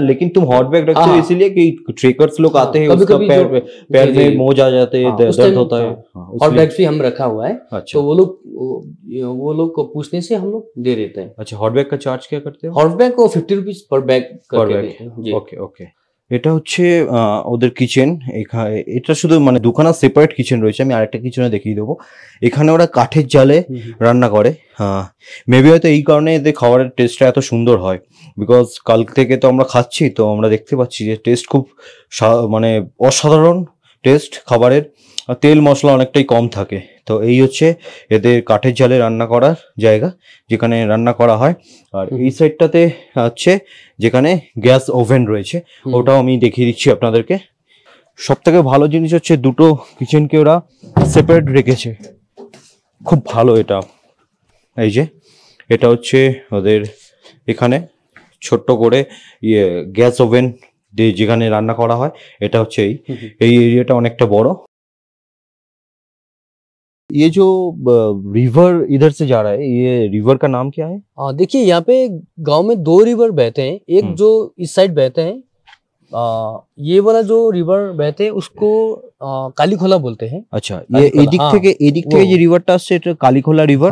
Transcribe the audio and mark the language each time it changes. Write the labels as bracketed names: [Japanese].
[Hindi] लेकिन तुम hot bag रखते हो इसीलिए कि ट्रेकर्स लोग आते हैं, उसका पैर पैर में मोज आ जाते हैं, दर्द होता है। हॉट बैग भी हम रखा हुआ है तो वो लोग को पूछने से हम लोग दे देते हैं। अच्छा, हॉट बैग का चार्ज क्या करते हो? हॉट बैग को 50 रुपीज पर बैग करते हैं। [Bangla] Okay okay. এটা হচ্ছে ওদের কিচেন। এটা শুধু মানে দুখানা সেপারেট কিচেন রয়েছে, আমি আরেকটা কিচেনে দেখিয়ে দেবো। এখানে ওরা কাঠের জালে রান্না করে, মেবি হয়তো এই কারণে এদের খাবারের টেস্টটা এত সুন্দর হয়, বিকজ কাল থেকে তো আমরা খাচ্ছি, তো আমরা দেখতে পাচ্ছি যে টেস্ট খুব মানে অসাধারণ টেস্ট খাবারের, তেল মশলা অনেকটাই কম থাকে। তো এই হচ্ছে এদের কাঠের জালে রান্না করার জায়গা, যেখানে রান্না করা হয়। আর এই সাইডটাতে আছে যেখানে গ্যাস ওভেন রয়েছে, ওটাও আমি দেখিয়ে দিচ্ছি আপনাদেরকে। সব থেকে ভালো জিনিস হচ্ছে দুটো কিচেনকে ওরা সেপারেট রেখেছে, খুব ভালো। এটা এই যে এটা হচ্ছে ওদের এখানে ছোট্ট করে গ্যাস ওভেন দিয়ে যেখানে রান্না করা হয়, এটা হচ্ছে এই এই এরিয়াটা অনেকটা বড়। [Hindi] ये जो रिवर इधर से जा रहा है, ये रिवर का नाम क्या है? देखिए यहाँ पे गांव में दो रिवर बहते हैं, एक जो इस साइड बहते हैं, ये वाला जो रिवर बहते हैं उसको कालीखोला बोलते हैं। अच्छा, ये एडिक थे के एडिक थे के ये रिवर टास से कालीखोला रिवर।